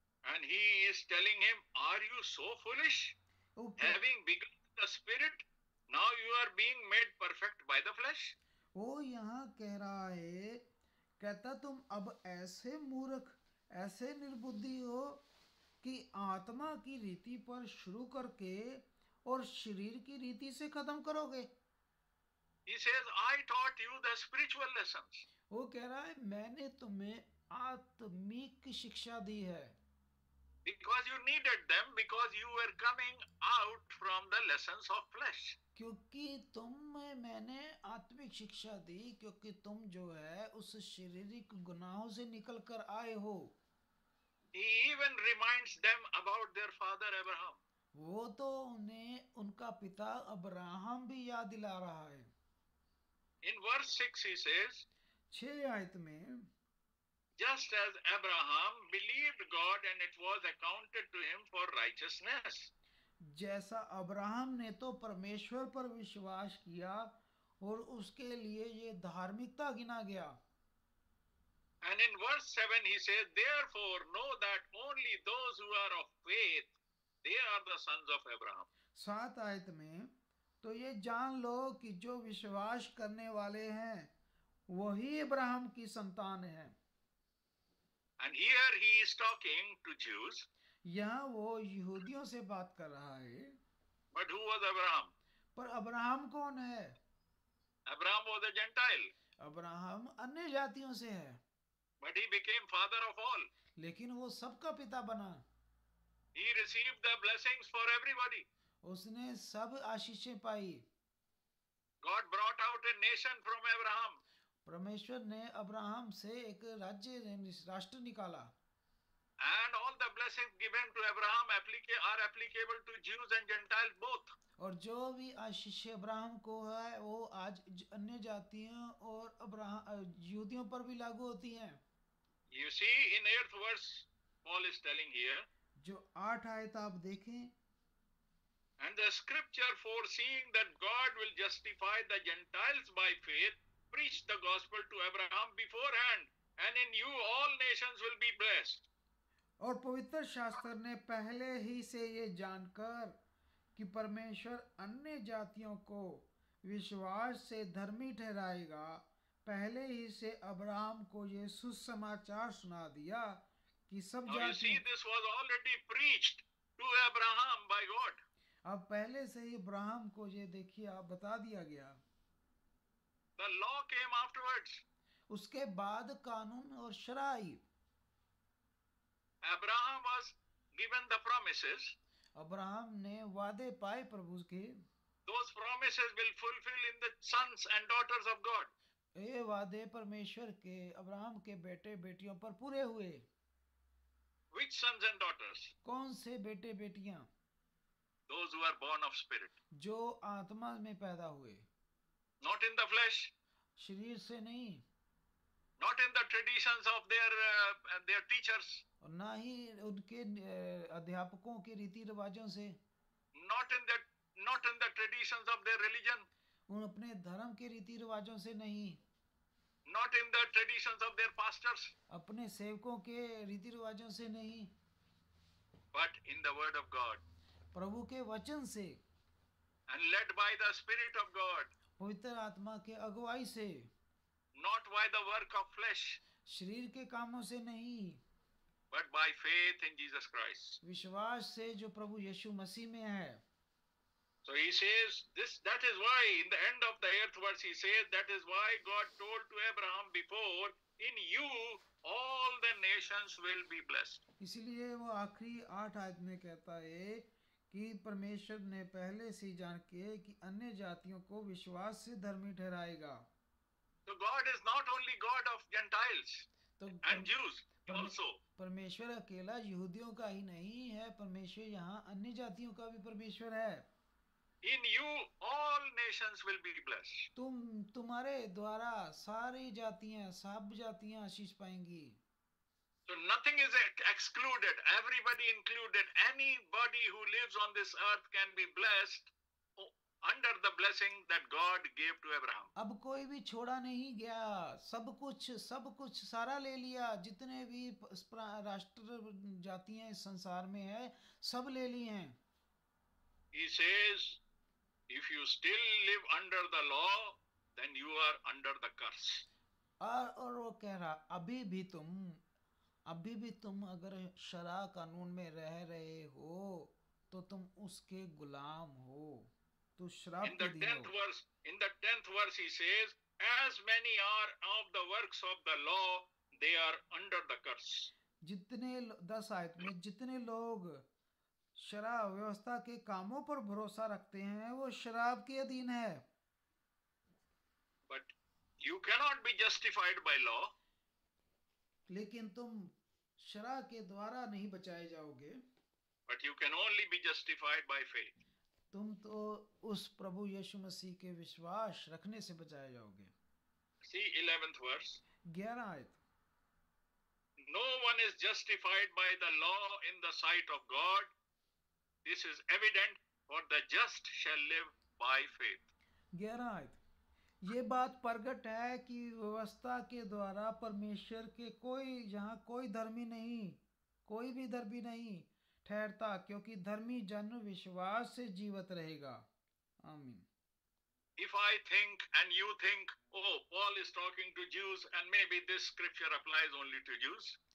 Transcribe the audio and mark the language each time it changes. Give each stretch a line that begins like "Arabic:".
English: And he is telling him, are you so foolish? Having begun the spirit, now you are being made perfect by the flesh.
Hindi: वो यहाँ कह रहा है, कहता तुम अब ऐसे मूर्ख, ऐसे निर्बुद्धि हो कि आत्मा की रीति पर शुरू करके और शरीर की रीति से खत्म करोगे.
English: He says, I taught you the spiritual lessons.
Hindi: वो कह रहा है, मैंने तुम्हें आत्मिक शिक्षा दी है.
English: Because you needed them, because you were coming out from the lessons of flesh.
Hindi: क्योंकि तुम्हें मैंने आत्मिक शिक्षा दी क्योंकि तुम जो है उस शारीरिक गुनाहों से निकल कर आए हो.
English: He even reminds them about their father Abraham.
Hindi: वो तो उन्हें उनका पिता अब्राहम भी याद दिला रहा है.
English: In verse 6 he says,
Hindi: 6 आयत में,
English: just as Abraham believed God and it was accounted to him for righteousness.
Hindi: जैसा अब्राहम ने तो परमेश्वर पर विश्वास किया और उसके लिए ये धार्मिकता गिना गया।
English: And in verse 7 he says, therefore know that only those who are of faith, they are the sons of Abraham.
Hindi: सात आयत में तो ये जान लो कि जो विश्वास करने वाले हैं वही अब्राहम की संतान है।
English: And here he is talking to Jews.
Hindi: यहाँ वो यहूदियों से बात कर रहा है।
English: But who was Abraham?
Hindi: पर अब्राहम कौन है?
English: Abraham was a Gentile.
Hindi: Abraham अन्य जातियों से है।
English: But he became father of all.
Hindi: लेकिन वो सबका पिता बना।
English: He received the blessings for everybody.
Hindi: उसने सब आशीषें पाई।
English: God brought out a nation from Abraham.
Hindi: परमेश्वर ने अब्राहम से एक राज्य राष्ट्र निकाला।
English: And all the blessings given to Abraham are applicable to Jews and Gentiles both.
Hindi: और जो भी आशीष अब्राहम को है वो आज अन्य जातियों और अब्राहम यहूदियों पर भी लागू होती हैं।
English: You see in 8th verse Paul is telling here.
Hindi: जो आठ आयत आप देखें।
English: And the scripture foreseeing that God will justify the Gentiles by faith preached the gospel to Abraham beforehand and in you all nations will be blessed.
Hindi: और पवित्र शास्त्र ने पहले ही से ये जानकर कि परमेश्वर अन्य जातियों को विश्वास से धर्मी ठहराएगा पहले ही से अब्राहम को ये सुसमाचार सुना दिया कि सब जातियों। अब पहले से ही अब्राहम को ये देखिए आप बता दिया गया।
English: The law came afterwards.
Hindi: उसके बाद कानून और शराई।
English: Abraham was given the promises.
Hindi: Abraham ने वादे पाए प्रभु के।
English: Those promises will fulfill in the sons and daughters of God.
Hindi: ये वादे परमेश्वर के अब्राहम के बेटे बेटियों पर पूरे हुए।
English: Which sons and daughters?
Hindi: कौन से बेटे बेटियां?
English: Those who are born of spirit.
Hindi: जो आत्मा में पैदा हुए।
English: Not in the flesh.
Hindi: शरीर से नहीं।
English: Not in the traditions of their teachers.
Hindi: और ना ही उनके अध्यापकों के रीति रिवाजों से।
English: Not in the traditions of their religion.
Hindi: उन अपने धर्म के रीति रिवाजों से नहीं।
English: Not in the traditions of their pastors.
Hindi: अपने सेवकों के रीति रिवाजों से नहीं।
English: But in the word of God.
Hindi: प्रभु के वचन से।
English: And led by the spirit of God.
Hindi: पवित्र आत्मा के अगुवाई से।
English: Not by the work of flesh.
Hindi: शरीर के कामों से नहीं।
English: But by faith in Jesus Christ.
Hindi: विश्वास से जो प्रभु यीशु मसीह में है।
English: So he says this. That is why in the end of the 8th verse he says that is why God told to Abraham before, in you all the nations will be blessed.
Hindi: इसलिए वो आखिरी आठ आयत में कहता है कि परमेश्वर ने पहले से जान के कि अन्य जातियों को विश्वास से धर्मी ठहराएगा।
English: So God is not only God of Gentiles and Jews also.
Hindi: परमेश्वर अकेला यहूदियों का ही नहीं है, परमेश्वर यहाँ अन्य जातियों का भी परमेश्वर है।
English: In you all nations will be blessed.
Hindi: तुम्हारे द्वारा सारी जातियाँ सब जातियाँ आशीष पाएंगी।
English: So nothing is excluded, everybody included. Anybody who lives on this earth can be blessed under the blessing that God gave to Abraham.
Hindi: अब कोई भी छोड़ा नहीं गया, सब कुछ सारा ले लिया, जितने भी राष्ट्र जातियाँ इस संसार में है सब ले ली हैं।
English: He says, if you still live under the law, then you are under the curse.
Hindi: और वो कह रहा, अभी भी तुम अगर शरा कानून में रह रहे हो, तो तुम उसके गुलाम हो, तो श्राप दे दियो।
English: In the tenth verse, he says, as many are of the works of the law, they are under the curse.
Hindi: जितने दस आयत में जितने लोग शराब व्यवस्था के कामों पर भरोसा रखते हैं वो शराब के अधीन है।
English: But you cannot be justified by law.
Hindi: लेकिन तुम शराब के द्वारा नहीं बचाए जाओगे।
English: But you can only be justified by faith.
Hindi: तुम तो उस प्रभु यीशु मसीह के विश्वास रखने से बचाए जाओगे।
English: See 11th verse.
Hindi: 11 आयत।
English: No one is justified by the law in the sight of God. This is evident, for the just shall live by faith.
Hindi: 11 आयत। ये बात प्रकट है कि व्यवस्था के द्वारा परमेश्वर के कोई यहाँ कोई धर्मी नहीं, कोई भी धर्मी नहीं ठहरता, क्योंकि धर्मी जन विश्वास से जीवित रहेगा। आमीन।
English: If I think and you think, oh, Paul is talking to Jews and maybe this scripture applies only to Jews.